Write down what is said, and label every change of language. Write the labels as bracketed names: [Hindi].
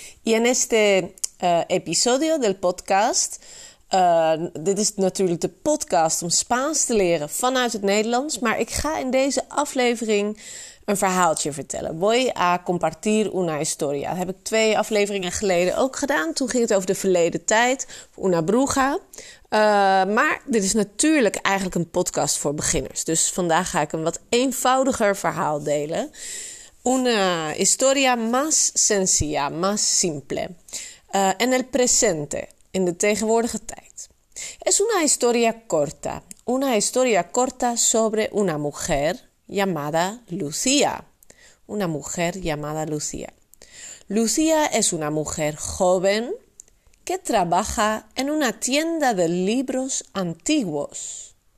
[Spanish] Y en este episodio del podcast, [Dutch] dit is natuurlijk de podcast om Spaans te leren vanuit het Nederlands, maar ik ga in deze aflevering een verhaaltje vertellen. [Spanish] Voy a compartir una historia. [Dutch] Dat heb ik 2 afleveringen geleden ook gedaan. Toen ging het over de verleden tijd, [Spanish] una bruja. [Dutch] Maar dit is natuurlijk eigenlijk een podcast voor beginners. Dus vandaag ga ik een wat eenvoudiger verhaal delen. [Spanish] Una historia más sencilla, más simple. En el presente, [Dutch] in de tegenwoordige tijd. [Spanish] Es una historia corta. Una historia corta sobre una mujer llamada Lucía. Una mujer llamada Lucía. Lucía es una mujer joven que trabaja en una tienda de libros antiguos.